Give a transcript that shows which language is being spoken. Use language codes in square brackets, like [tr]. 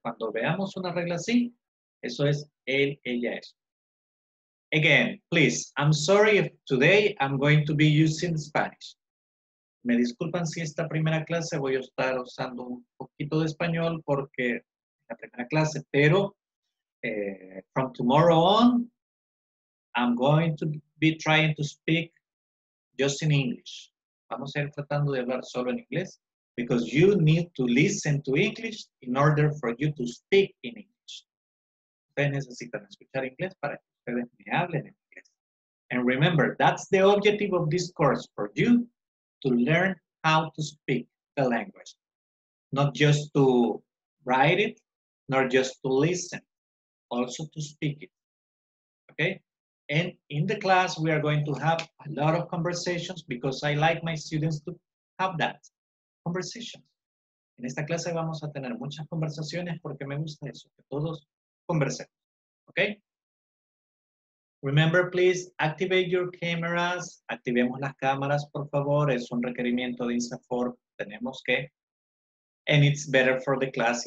[es] Cuando veamos una regla así, eso es él, ella, eso. [en] Again, please, I'm sorry if today I'm going to be using Spanish. [es] Me disculpan si esta primera clase voy a estar usando un poquito de español porque la primera clase, pero [en] from tomorrow on, I'm going to be trying to speak just in English. [es] Vamos a ir tratando de hablar solo en inglés [en] because you need to listen to English in order for you to speak in English. [es] Ustedes necesitan escuchar inglés para que ustedes me hablen en inglés. [en] And remember, that's the objective of this course for you, to learn how to speak the language. Not just to write it, nor just to listen, also to speak it, okay? And in the class, we are going to have a lot of conversations because I like my students to have that conversation. [es] En esta clase vamos a tener muchas conversaciones porque me gusta eso, que todos conversen, okay? [en] Remember, please, activate your cameras. [es] Activemos las cámaras, por favor. Es un requerimiento de INSAFOR. Tenemos que. [en] And it's better for the class.